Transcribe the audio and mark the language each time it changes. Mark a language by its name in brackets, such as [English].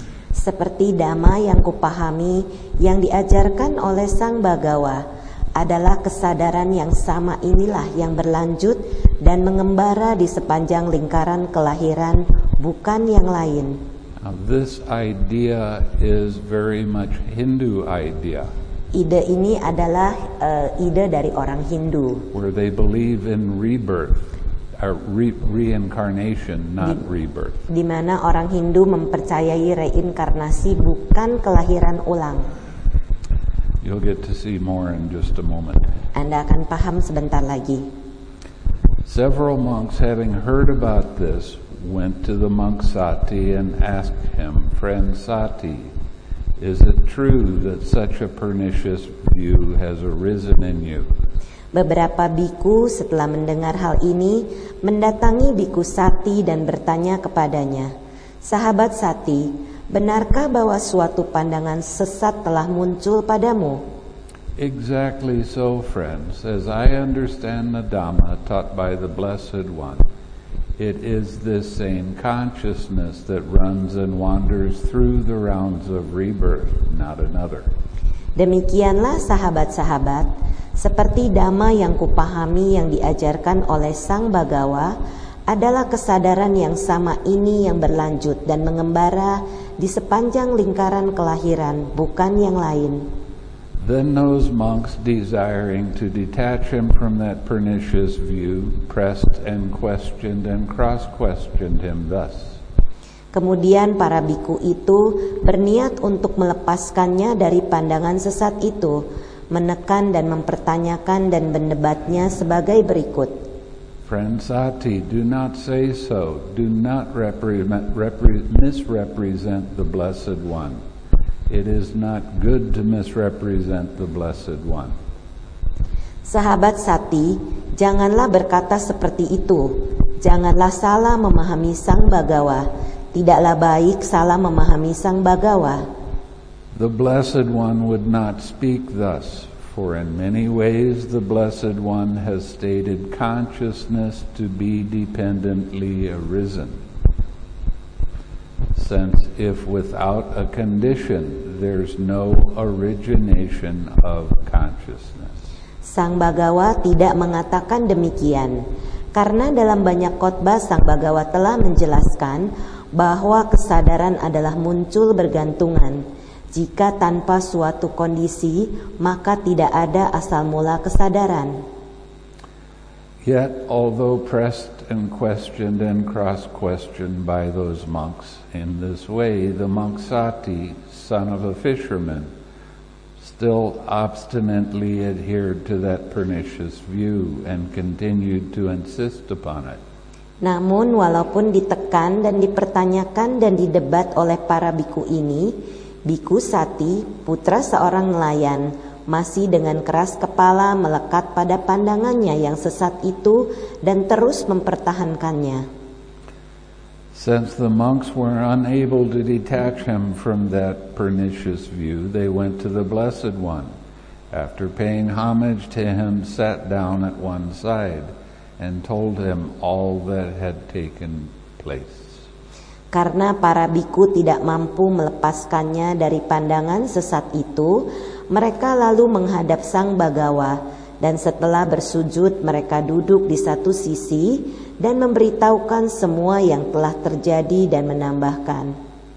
[Indonesian] Seperti Dhamma yang kupahami, yang diajarkan oleh Sang Bhagawa, adalah kesadaran yang sama inilah yang berlanjut dan mengembara di sepanjang lingkaran kelahiran, bukan yang lain. [English] Now, this idea is very much Hindu idea. [Indonesian] Ide ini adalah ide dari orang Hindu. [English] Where they believe in rebirth, reincarnation, not rebirth. [Indonesian] Di mana orang Hindu mempercayai reinkarnasi bukan kelahiran ulang. [English] You'll get to see more in just a moment. [Indonesian] Anda akan paham sebentar lagi. [English] Several monks, having heard about this, went to the monk Sati and asked him, "Friend Sati, is it true that such a pernicious view has arisen in you?" [Indonesian] Beberapa bhikkhu setelah mendengar hal ini mendatangi bhikkhu Sati dan bertanya kepadanya, "Sahabat Sati, benarkah bahwa suatu pandangan sesat telah muncul padamu?" [English] "Exactly so, friends. As I understand the Dhamma taught by the Blessed One, it is this same consciousness that runs and wanders through the rounds of rebirth, not another." [Indonesian] Demikianlah sahabat-sahabat, seperti Dhamma yang kupahami yang diajarkan oleh Sang Bhagawa, adalah kesadaran yang sama ini yang berlanjut dan mengembara di sepanjang lingkaran kelahiran, bukan yang lain. [English] Then those monks, desiring to detach him from that pernicious view, pressed and questioned and cross-questioned him thus. [Indonesian] Kemudian para bhikkhu itu berniat untuk melepaskannya dari pandangan sesat itu, menekan dan mempertanyakan dan mendebatnya sebagai berikut. [English] "Friend Sati, do not say so. Do not misrepresent the Blessed One. It is not good to misrepresent the Blessed One." [Indonesian] Sahabat Sati, janganlah berkata seperti itu. Janganlah salah memahami Sang Bhagawa. Tidaklah baik salah memahami Sang Bhagawa. [English] The Blessed One would not speak thus. For in many ways the Blessed One has stated consciousness to be dependently arisen. Since if without a condition, there's no origination of consciousness. [Indonesian] Sang Bhagawa tidak mengatakan demikian. Karena dalam banyak khotbah Sang Bhagawa telah menjelaskan bahwa kesadaran adalah muncul bergantungan. Jika tanpa suatu kondisi, maka tidak ada asal mula kesadaran. [English] Yet, although pressed and questioned and cross-questioned by those monks in this way, the monk Sati, son of a fisherman, still obstinately adhered to that pernicious view and continued to insist upon it. [Indonesian] Namun, walaupun ditekan dan dipertanyakan dan didebat oleh para bhikkhu ini, Bhikkhu Sati, putra seorang nelayan, masih dengan keras kepala melekat pada pandangannya yang sesat itu dan terus mempertahankannya. [English] Since the monks were unable to detach him from that pernicious view, they went to the Blessed One After paying homage to him, sat down at one side and told him all that had taken place. [Indonesian] Karena para biku tidak mampu melepaskannya dari pandangan sesat itu, mereka lalu menghadap sang bagawa, dan setelah bersujud mereka duduk di satu sisi dan memberitahukan semua yang telah terjadi dan menambahkan.